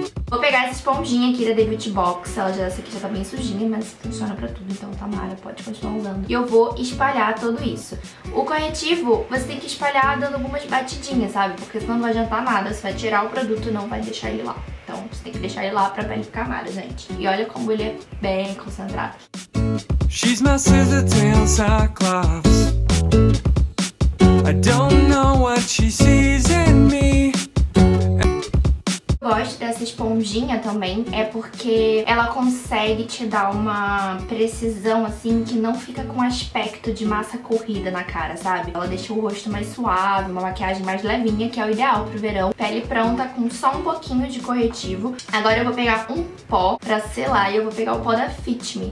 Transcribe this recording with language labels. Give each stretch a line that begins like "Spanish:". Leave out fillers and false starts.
Portuguese: Vou pegar essa esponjinha aqui da The Beauty Box. Essa aqui já tá bem sujinha, mas funciona pra tudo, então tá mara, pode continuar usando. E eu vou espalhar tudo isso. O corretivo, você tem que espalhar dando algumas batidinhas, sabe? Porque senão não vai adiantar nada, você vai tirar o produto e não vai deixar ele lá. Então você tem que deixar ele lá pra pele ficar mara, gente. E olha como ele é bem concentrado.
English: She's my sister, Tensa Claus. I don't know what she sees in me.
Portuguese: Gosto dessa esponjinha também é porque ela consegue te dar uma precisão assim que não fica com aspecto de massa corrida na cara, sabe? Ela deixa o rosto mais suave, uma maquiagem mais levinha, que é o ideal pro verão. Pele pronta com só um pouquinho de corretivo. Agora eu vou pegar um pó pra selar e eu vou pegar o pó da Fit Me.